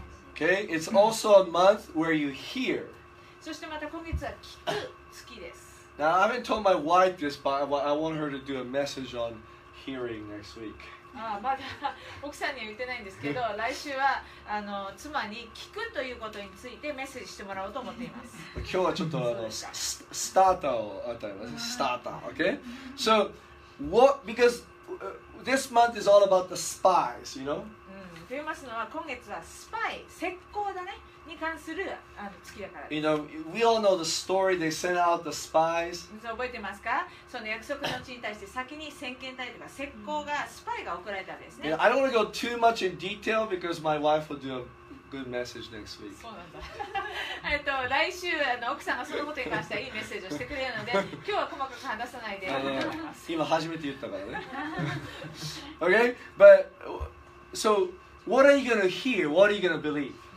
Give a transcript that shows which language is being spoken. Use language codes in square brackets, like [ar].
[en] Okay, it's also a month where you hear. [ja] そしてまた今月は聞く月です。 [en] Now, I haven't told my wife this, but I want her to do a message on hearing. hearing next week. [ja] ああまだ奥さんには言ってないんですけど、来週はあの妻に聞くということについてメッセージしてもらおうと思っています。今日はちょっとあのスターターを与えます。 [en] スターター、okay? So what? Because this month is all about the spies, you know? [ja] と言いますのは、今月はスパイ、石膏だね。に関するあの月だから。 [en] You know, we all know the story. They sent out the spies. [ja] 覚えてますか？その約束の地に対して先に先遣隊とか石膏がスパイが送られたんですね。 [en] Yeah, I don't want to go too much in detail because my wife will do a good message next week. [ja] そうなんだ。来週あの奥さんがそのことに関してはいいメッセージをしてくれるので、今日は細かく話さないで。今初めて言ったからね。 [en] okay, but so what are you going to hear? What are you going to believe?